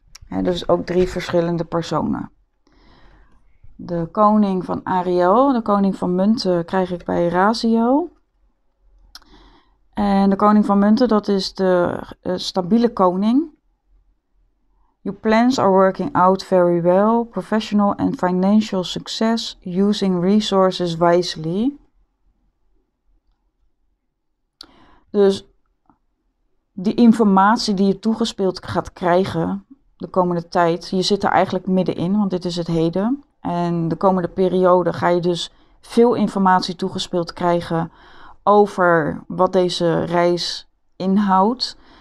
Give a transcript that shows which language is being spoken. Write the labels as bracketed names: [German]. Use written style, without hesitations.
[Dutch] Hè, dus ook drie verschillende personen. De koning van Ariel, de koning van munten krijg ik bij Raziel. En de koning van munten, dat is de stabiele koning. [English] Your plans are working out very well. Professional and financial success using resources wisely. [Dutch] Dus die informatie die je toegespeeld gaat krijgen de komende tijd, je zit er eigenlijk middenin, want dit is het heden. En de komende periode ga je dus veel informatie toegespeeld krijgen over wat deze reis inhoudt.